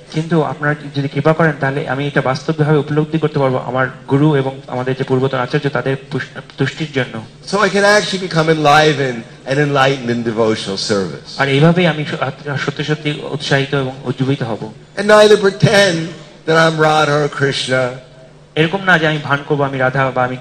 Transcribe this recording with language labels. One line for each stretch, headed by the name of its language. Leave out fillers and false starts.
Bangla: কিন্তু আপনারা যদি কৃপা করেন তাহলে আমি এটা বাস্তবভাবে উপলব্ধি করতে পারবো আমার গুরু এবং আমাদের যে পূর্বতন আচার্য তাদের তুষ্টির জন্য
English: So I can actually become enlivened and enlightened in devotional service
Bangla: আর এইভাবে আমি সত্যি সত্যি উৎসাহিত এবং উজ্জীবিত হব
English: And neither pretend that I'm Radha or Krishna
Bangla: এরকম না যে আমি ভান করবো আমি রাধা বা আমি